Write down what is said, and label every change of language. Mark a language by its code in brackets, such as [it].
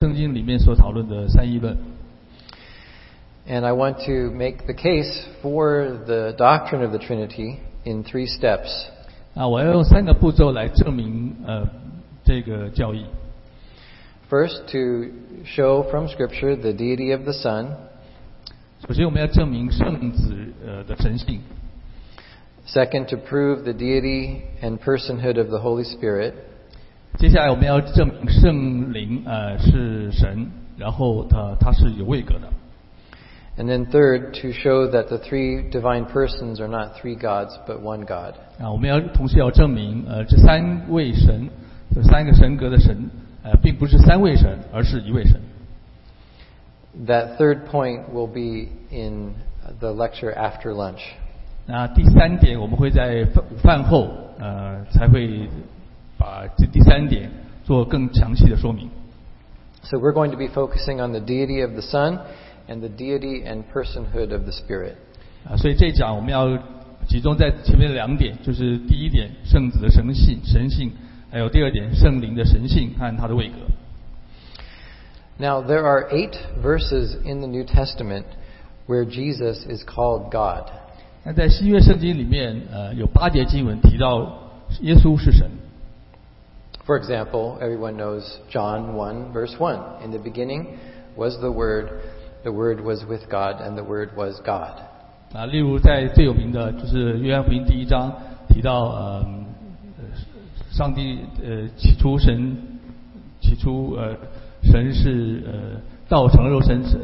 [zh] 圣经里面所讨论的三一论。 [en] And I want to make the case for the doctrine of the Trinity in three steps. [zh] 我要用三个步骤来证明这个教义。 [en] First, to show from Scripture the deity of the Son. [zh] 首先我们要证明圣子的神性。 [en] Second, to prove the deity and personhood of the Holy Spirit. [zh] 接下来我们要证明圣灵是神，然后他是有位格的。 [en] And then third, to show that the three divine persons are not three gods, but one God. [zh] 我们要同时要证明这三位神，这三个神格的神并不是三位神，而是一位神。 [en] That third point will be in the lecture after lunch. [zh] 那第三点我们会在饭后才会把这第三点做更详细的说明。 [en] So we're going to be focusing on the deity of the Son,and the deity and personhood of the Spirit. [zh] 所以这一讲我们要集中在前面两点，就是第一点圣子的神性，还有第二点圣灵的神性和他的位格。 [en] Now there are 8 verses in the New Testament where Jesus is called God. [zh] 那在新约圣经里面，有八节经文提到耶稣是神。 [en] For example, everyone knows John 1 verse 1. In the beginning was the Word. The Word was with God, and the Word was God. [zh] 例如在最有名的就是约翰福音第一章提到，上帝起初神，起初神是道成了肉身。